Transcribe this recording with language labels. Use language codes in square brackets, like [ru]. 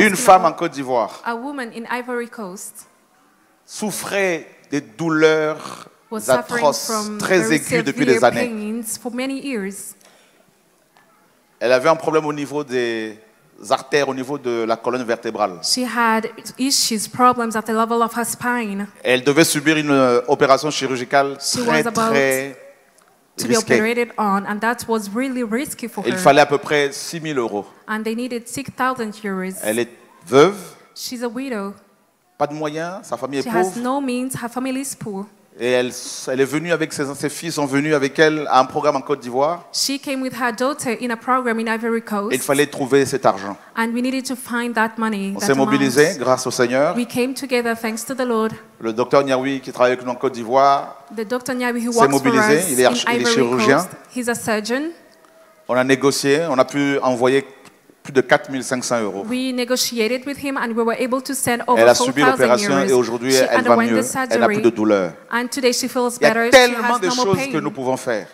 [fr] une femme en Côte d'Ivoire. [en] A woman in Ivory Coast. [fr] Souffrait des douleurs [en] was [fr] atroces, très aiguës depuis des années. [en] For many years. [fr] Elle avait un problème au niveau des artères, au niveau de la colonne vertébrale. [en] She had issues, problems at the level of her spine. [fr] Elle devait subir une opération chirurgicale très, très [en] to be operated on, and that was really risky for [fr] il fallait à peu près 6 000 euros. [en] And they needed 6,000 euros. [fr] Elle est veuve. [en] She's a widow. [fr] Pas de moyens, sa famille [en] she [fr] est pauvre. [en] She has no means, her family is poor. [fr] Et elle est venue avec ses fils sont venus avec elle à un programme en Côte d'Ivoire. [en] She came with her daughter in a program in Ivory Coast. [fr] Et il fallait trouver cet argent. [en] And we needed to find that money. [fr] On s'est mobilisé grâce au Seigneur. [en] We came together thanks to the Lord. [fr] Le docteur Nyawi qui travaille avec nous en Côte d'Ivoire. [en] The doctor Nyawi who [fr] s'est mobilisé, [en] works for us [fr] il est chirurgien. [en] Coast. He's a surgeon. [fr] On a négocié, on a pu envoyer plus de 4 500 euros. [en] We negotiated with him and we were able to send over. [fr] Elle a subi l'opération et aujourd'hui elle va mieux. Elle n'a plus de douleur. [en] And today she feels better. [fr] Il y a tellement de choses que nous pouvons faire.